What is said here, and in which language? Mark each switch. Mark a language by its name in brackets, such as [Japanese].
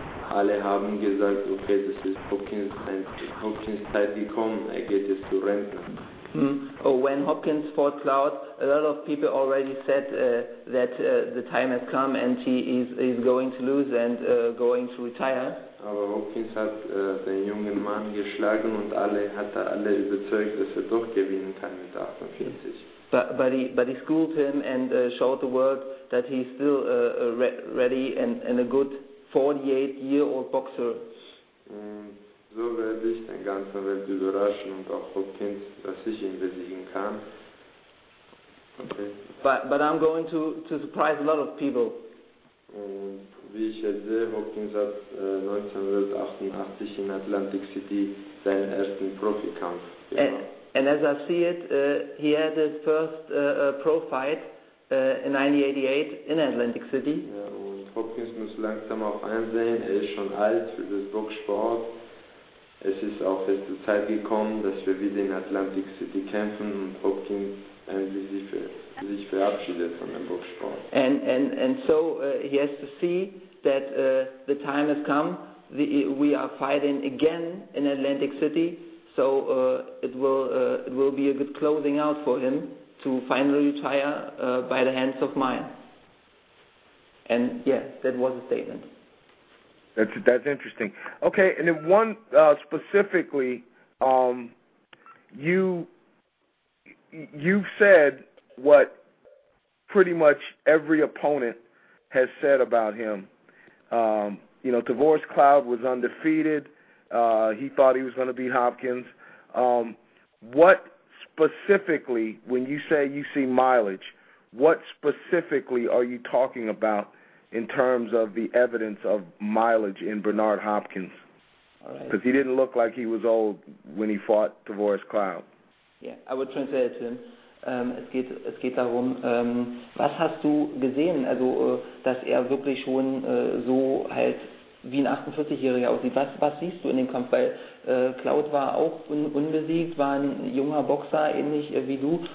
[German] Alle haben gesagt, okay, das ist Hopkins Zeit gekommen, er geht jetzt zu Rentner. [English] Oh, when Hopkins fought Cloud, a lot of people already said that the time has come and he is going to lose and going to retire. [German] Aber Hopkins hat den jungen Mann geschlagen und alle überzeugt, dass er doch gewinnen kann mit 48. [English] But he schooled him and showed the world that he's still ready and a good 48-year-old boxer. [German] So werde ich den ganzen Welt überraschen und auch Hopkins, dass ich ihn besiegen kann. [English] Okay. But I'm going to surprise a lot of people. [German] Und wie ich jetzt sehe, Hopkins hat 1988 in Atlantic City seinen ersten Profikampf gemacht. [English] And as I see it, he had his first pro fight in 1988 in Atlantic City. [German] Ja, und Hopkins muss langsam auch einsehen, er ist schon alt für das Boxsport. Es ist auch jetzt die Zeit gekommen, dass wir wieder in Atlantic City kämpfen und Hopkins endlich sich verabschiedet von dem Boxsport. [English] And so he has to see that the time has come. We are fighting again in Atlantic City. So it will be a good closing out for him to finally retire by the hands of mine. And yeah, that was a statement. That's interesting. Okay, and then one specifically, you've said what pretty much every opponent has said about him. You know, Tavoris Cloud was undefeated. He thought he was going to beat Hopkins. What specifically, when you say you see mileage, what specifically are you talking about in terms of the evidence of mileage in Bernard Hopkins? Because he didn't look like he was old when he fought Tavoris Cloud. Yeah, I would translate it to him. [German] Es geht darum, was hast du gesehen, also dass er wirklich schon so halt wie ein 48-Jähriger aussieht. Was siehst du in dem Kampf? Weil Cloud war auch unbesiegt, war ein junger Boxer, ähnlich wie du.